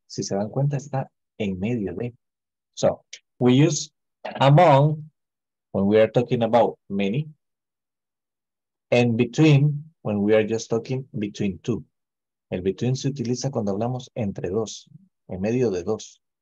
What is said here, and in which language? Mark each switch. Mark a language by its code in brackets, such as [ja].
[es] Si se dan cuenta, está en medio de. [en] So, we use among when we are talking about many. And between when we are just talking between two. [es] El between se utiliza cuando hablamos entre dos, en medio de dos.